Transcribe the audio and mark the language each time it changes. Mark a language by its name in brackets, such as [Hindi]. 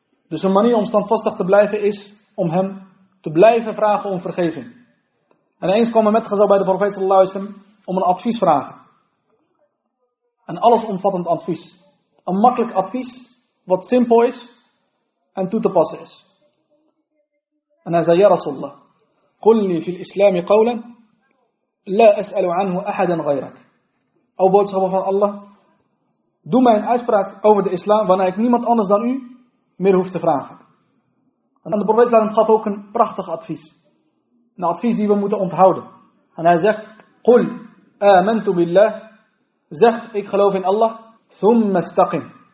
[Dutch] Dus een manier om standvastig te blijven is om hem te blijven vragen om vergeving. En eens kwam een metgezel bij de profeet sallallahu alaihi wasallam om een advies vragen. Een allesomvattend advies. Een makkelijk advies wat simpel is en toe te passen is. En hij zei, [Arabic] ja Rasulullah, قل لي في الإسلام قولا لا أسأل عنه أحدا غيرك. [Dutch] O boodschapper van Allah, doe mij een uitspraak over de islam wanneer ik niemand anders dan u meer hoef te vragen. En de profeet gaf ook een prachtig advies. Een advies die we moeten onthouden. En hij zegt, [Arabic] قل آمنت بالله, [Dutch] zeg ik geloof in Allah, [Arabic] ثم استقم.